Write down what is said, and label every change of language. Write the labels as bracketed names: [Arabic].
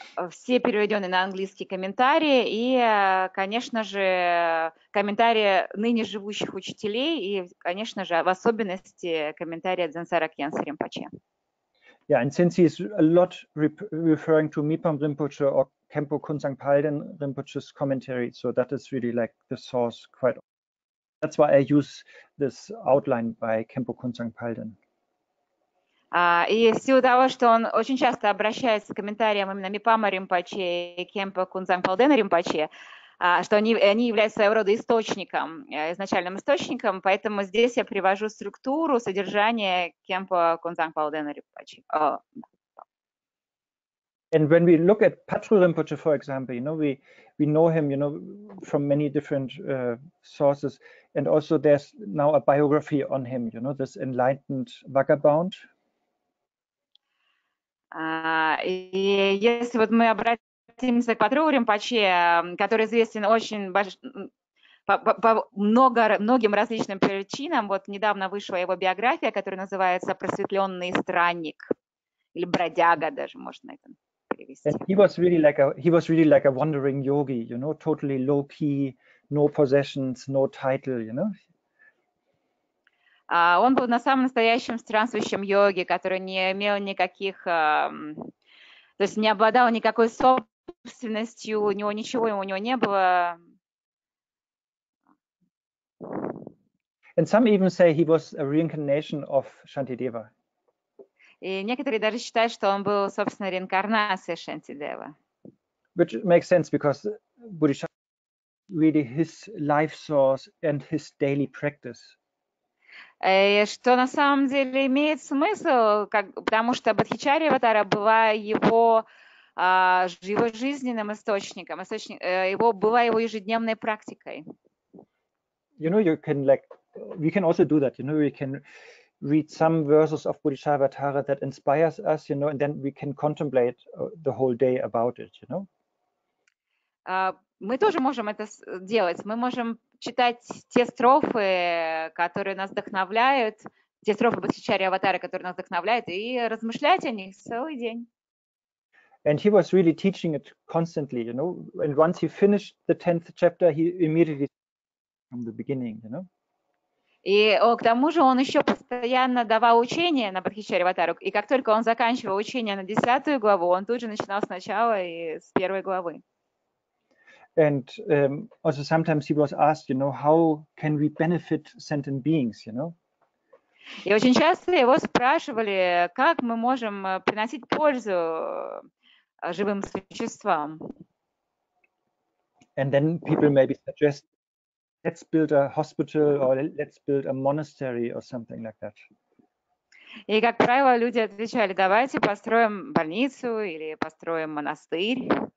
[Russian] Все переведены на английский комментарии и, конечно же, комментарии ныне живущих учителей и, конечно же, в особенности комментарии Дзенсара Кьенса Ринпоче. [English] Yeah, and since he's a lot referring to Mipham Rinpoche or Kempo Khunsang Palden Rinpoche's commentary, so that is really like the source quite. That's why I use this outline by Kempo Khunsang Palden. [Russian] И в силу того, что он очень часто обращается к комментариям именно Мипама Ринпоче и Кемпо Кунзанг Палдена Ринпоче, что они являются своего рода источником, изначальным источником, поэтому здесь я привожу структуру содержания Кемпо Кунзанг Палдена Ринпоче. [English] And when we look at Patru Rinpoche, for example, we know him, from many different sources. And also there's now a biography on him, this enlightened vagabond. [Russian] И если вот мы обратимся к Патру Ринпоче, который известен очень по многим различным причинам, вот недавно вышла его биография, которая называется «Просветленный странник» или «Бродяга» даже можно это [English] And [Russian] перевести. [English] he was really like a wandering yogi, totally low key, no possessions, no title, [Russian] Он был на самом настоящем странствующем йоге, который не имел никаких, то есть не обладал никакой собственностью, у него ничего у него не было. [English] And some even say he was a reincarnation of Shantideva. [Russian] И некоторые даже считают, что он был, собственно, реинкарнацией Шантидева. [English] Which makes sense because Bodhisattva really his life source and his daily practice. [Russian] И что на самом деле имеет смысл, потому что Бодхичари-аватара была его жизненным источником, была его ежедневной практикой. [English] You can like we can also do that. We can read some verses of Bodhisattva-avatara that inspires us, and then we can contemplate the whole day about it, [Russian] Мы тоже можем это делать. Мы можем читать те строфы, которые нас вдохновляют, те строфы Бодхичари Аватары, которые нас вдохновляют, и размышлять о них целый день. [English] And he was really teaching it constantly, And once he finished the 10th chapter, he immediately from the beginning, [Russian] И к тому же он еще постоянно давал учения на Бодхичари Аватару, и как только он заканчивал учение на 10-ю главу, он тут же начинал сначала и с первой главы. [English] And also sometimes he was asked, how can we benefit sentient beings, [Russian] И очень часто его спрашивали, как мы можем приносить пользу живым существам. [English] And then people maybe suggest, let's build a hospital or let's build a monastery or something like that. [Russian] И, как правило, люди отвечали, давайте построим больницу или построим монастырь.